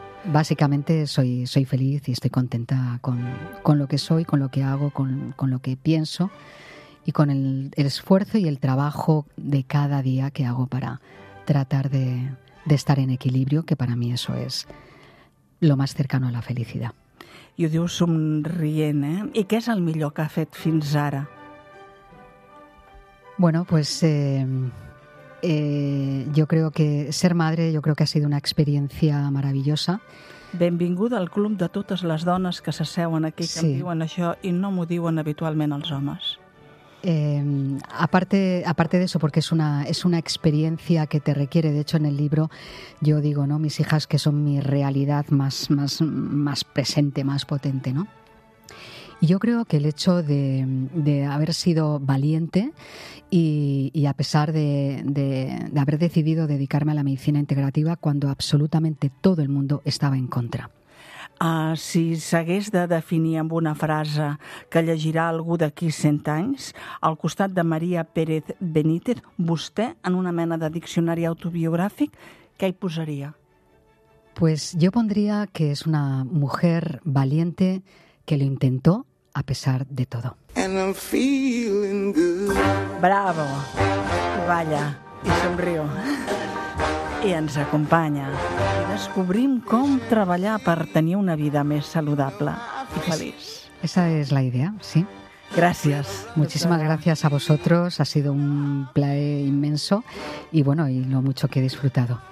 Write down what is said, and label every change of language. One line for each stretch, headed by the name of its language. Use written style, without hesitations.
Spanish: Básicamente soy feliz y estoy contenta con lo que soy, con lo que hago, con lo que pienso y con el esfuerzo y el trabajo de cada día que hago para tratar de estar en equilibrio, que para mí eso es lo más cercano a la felicidad.
Catalan: I ho diu somrient, eh? I què és el millor que ha fet fins ara?
Spanish: Bueno, pues yo creo que ser madre, yo creo que ha sido una experiencia maravillosa.
Catalan: Benvinguda al club de totes les dones que s'asseuen aquí, que sí. Em diuen això i no m'ho diuen habitualment els homes.
Spanish: Aparte de eso, porque es una experiencia que te requiere, de hecho en el libro yo digo, ¿no?, mis hijas que son mi realidad más presente, más potente, ¿no? Y yo creo que el hecho de haber sido valiente y a pesar de haber decidido dedicarme a la medicina integrativa cuando absolutamente todo el mundo estaba en contra.
Catalan: Si s'hagués de definir amb una frase que llegirà algú d'aquí 100 anys, al costat de Maria Pérez Benítez, vostè, en una mena de diccionari autobiogràfic, què hi posaria?
Spanish: Pues yo pondría que es una mujer valiente que lo intentó a pesar de todo.
English: And I'm feeling good.
Catalan: Bravo! Balla i somriu. I ens acompanya. I descobrim com treballar per tenir una vida més saludable i feliç. Esa és la idea, sí. Gràcies. Moltíssimes gràcies a vosaltres.
Spanish: Ha sido un plaer immenso. I bueno, y lo mucho que he disfrutado.